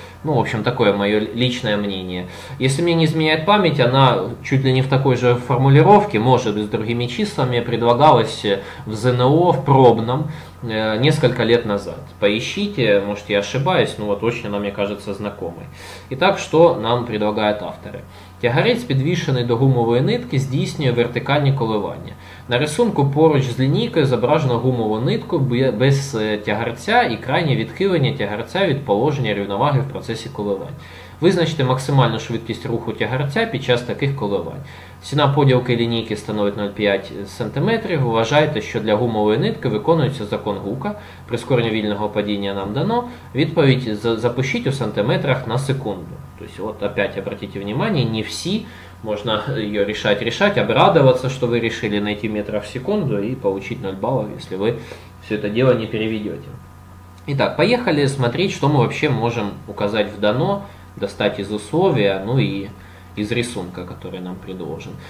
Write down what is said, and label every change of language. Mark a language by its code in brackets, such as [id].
[ru] Ну, в общем, такое мое личное мнение. Если мне не изменяет память, она чуть ли не в такой же формулировке, может быть, с другими числами, предлагалась в ЗНО, в пробном, несколько лет назад. Поищите, может, я ошибаюсь, но вот очень она мне кажется знакомой. Итак, что нам предлагают авторы? [uk] Тягарець, підвішений до гумової нитки, здійснює вертикальні коливання. На рисунку поруч з лінійкою зображено гумову нитку без тягарця і крайнє відхилення тягарця від положення рівноваги в процесі коливань. Визначте максимальну швидкість руху тягарця під час таких коливань. Ціна поділки лінійки становить 0,5 см. Вважайте, що для гумової нитки виконується закон Гука. Прискорення вільного падіння нам дано. Відповідь запишіть у сантиметрах на секунду. [ru] То есть вот опять обратите внимание, не все, можно ее решать, обрадоваться, что вы решили найти метров в секунду и получить 0 баллов, если вы все это дело не переведете. Итак, поехали смотреть, что мы вообще можем указать в дано, достать из условия, ну и из рисунка, который нам предложен.